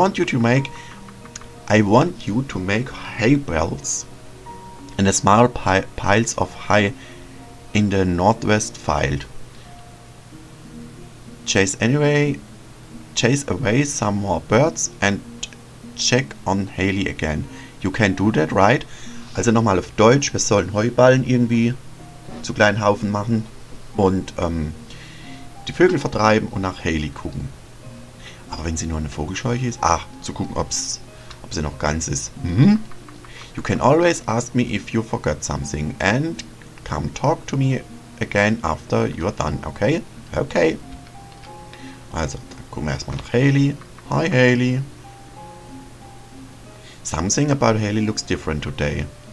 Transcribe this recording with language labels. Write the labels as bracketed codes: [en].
[en] I want you to make hay bales and a small piles of hay in the northwest field. Chase away some more birds and check on Haley again. You can do that, right? [de] Also nochmal auf Deutsch, wir sollen Heuballen irgendwie zu kleinen Haufen machen und die Vögel vertreiben und nach Haley gucken. Aber wenn sie nur eine Vogelscheuche ist, ach, zu gucken, ob sie noch ganz ist. Mhm. [en] You can always ask me if you forgot something and come talk to me again after you're done, okay? [de] Okay. Also, dann gucken wir erstmal nach Haley. Hi, Haley. [en] Something about Haley looks different today.